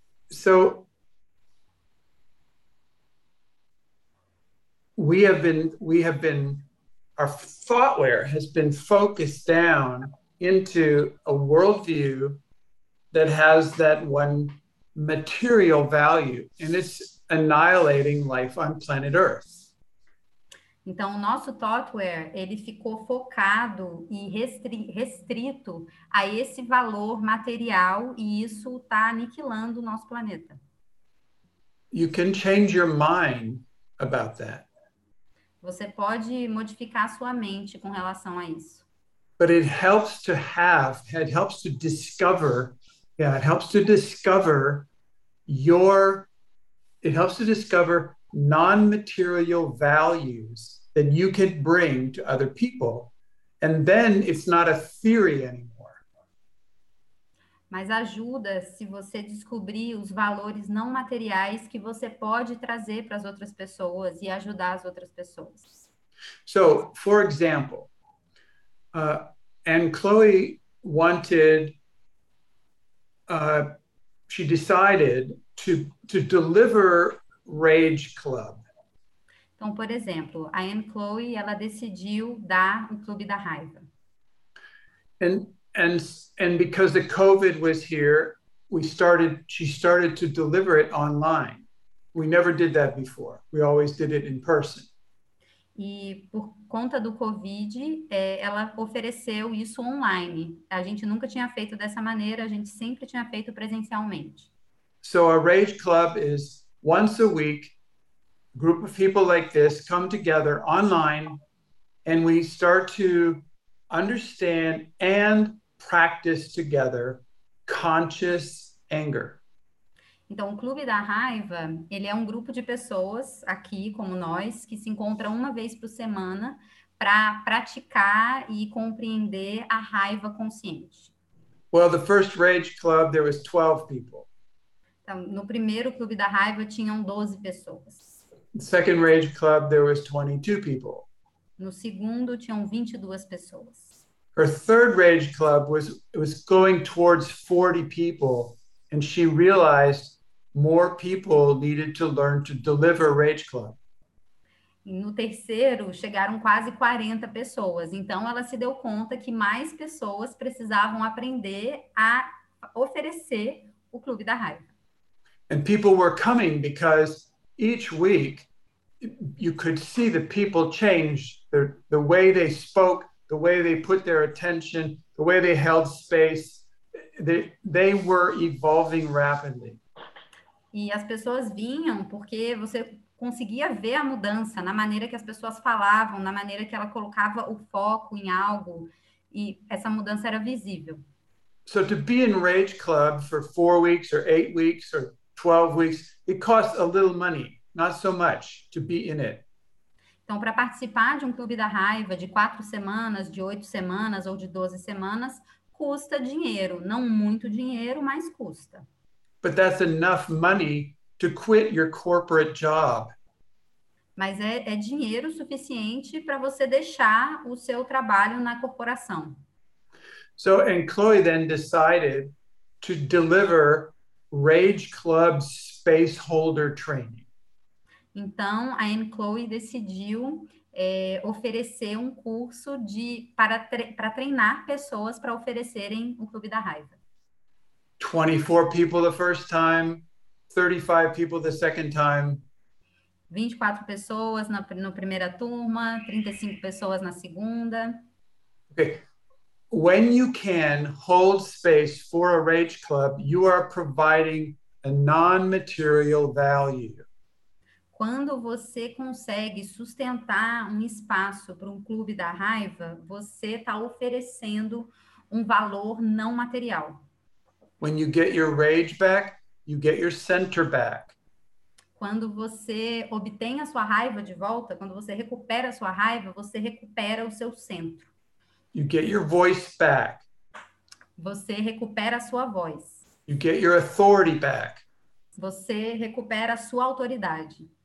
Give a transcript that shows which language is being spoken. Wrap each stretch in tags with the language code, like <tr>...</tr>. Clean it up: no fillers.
<en>So we have been our thoughtware has been focused down into a worldview that has that one material value, and it's annihilating life on planet Earth.</en> <pt>Então, o nosso thoughtware, ele ficou focado e restrito a esse valor material e isso está aniquilando o nosso planeta.</pt> <en>You can change your mind about that.</en> <pt>Você pode modificar sua mente com relação a isso.</pt> <en>But it helps to discover non-material values that you can bring to other people, and then it's not a theory anymore.</en> <pt>Mas ajuda se você descobrir os valores não materiais que você pode trazer para as outras pessoas e ajudar as outras pessoas.</pt> <en>So, for example, and Chloe wanted, she decided to deliver Rage Club.</en> <pt>Então, por exemplo, a Anne Chloe, ela decidiu dar o Clube da Raiva.</pt> <en>And because the COVID was here, she started to deliver it online. We never did that before. We always did it in person.</en> <pt>E por conta do COVID, ela ofereceu isso online. A gente nunca tinha feito dessa maneira, a gente sempre tinha feito presencialmente.</pt> <en>So a rage club is once a week, a group of people like this come together online, and we start to understand and practice together conscious anger.</en> <pt>Então, o Clube da Raiva, ele é um grupo de pessoas aqui, como nós, que se encontram uma vez por semana para praticar e compreender a raiva consciente.</pt> <en>Well, the first rage club, there was 12 people.</en> <pt>Então, no primeiro Clube da Raiva, tinham 12 pessoas.</pt> <en>Second Rage Club, there was 22 people.</en> <pt>No segundo, tinham 22 pessoas.</pt> <en>Her third Rage Club was going towards 40 people, and she realized more people needed to learn to deliver Rage Club.</en> <pt>No terceiro, chegaram quase 40 pessoas. Então, ela se deu conta que mais pessoas precisavam aprender a oferecer o Clube da Raiva.</pt> <en>And people were coming because each week you could see the people change the way they spoke, the way they put their attention, the way they held space. They were evolving rapidly.</en> <pt>E as pessoas vinham porque você conseguia ver a mudança na maneira que as pessoas falavam, na maneira que ela colocava o foco em algo, e essa mudança era visível.</pt> <en>So to be in Rage Club for 4 weeks or 8 weeks or 12 weeks, it costs a little money, not so much to be in it.</en> <pt>Então, para participar de um clube da raiva de 4 semanas, de 8 semanas ou de 12 semanas, custa dinheiro. Não muito dinheiro, mas custa.</pt> <en>But that's enough money to quit your corporate job.</en> <pt>Mas é dinheiro suficiente para você deixar o seu trabalho na corporação.</pt> <en>So, and Chloe then decided to deliver Rage Club Space Holder Training.</en> <pt>Então, a Anne Chloe decidiu oferecer um curso para treinar pessoas para oferecerem o Clube da Raiva.</pt> <en>24 people the first time, 35 people the second time.</en> <pt>24 pessoas na primeira turma, 35 pessoas na segunda.</pt> <en>Okay. When you can hold space for a rage club, you are providing a non-material value.</en> <pt>Quando você consegue sustentar um espaço para um clube da raiva, você está oferecendo um valor não material.</pt> <en>When you get your rage back, you get your center back.</en> <pt>Quando você obtém a sua raiva de volta, quando você recupera a sua raiva, você recupera o seu centro.</pt> <en>You get your voice back.</en> <pt>Você recupera a sua voz.</pt> <en>You get your authority back.</en> <pt>Você recupera a sua autoridade.</pt>